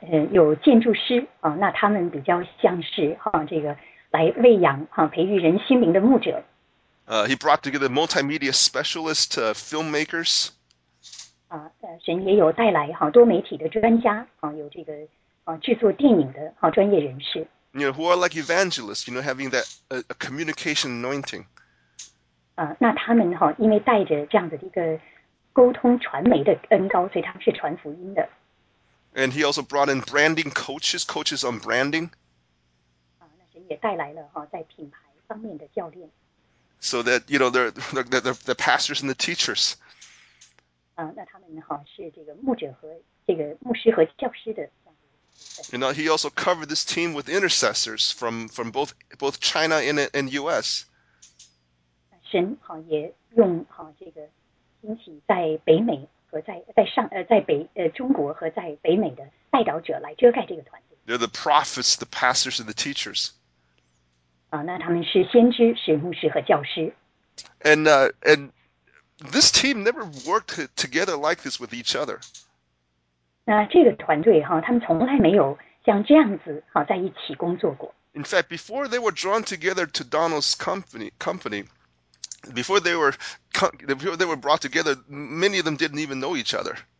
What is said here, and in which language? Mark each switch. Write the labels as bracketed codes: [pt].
[zh] 有建筑师那他们比较像是这个来喂养培育人心灵的牧者。 [en] He brought together multimedia specialist filmmakers. [zh] 神也有带来多媒体的专家有这个制作电影的专业人士。 [en] You know, who are like evangelists, having that a communication anointing. [zh] 那他们因为带着这样的一个沟通传媒的恩膏，所以他们是传福音的。 [en] And he also brought in branding coaches on branding. [zh] 那神也带来了在品牌方面的教练。 [en] so that you know the pastors and the teachers. [zh] 那他们呢，是这个牧者和这个牧师和教师的。 [en] You know, he also covered this team with intercessors from both China and U.S. [zh] 神也用这个兴起在北美和在中国和在北美的代祷者来遮盖这个团队。 [en] They're the prophets, the pastors, and the teachers. [zh] 那他们是先知，是牧师和教师。 [en] And this team never worked together like this with each other. [zh] 那这个团队，他们从来没有像这样子，在一起工作过。 [en] In fact, before they were drawn together to Donald's company, before they were brought together, many of them didn't even know each other.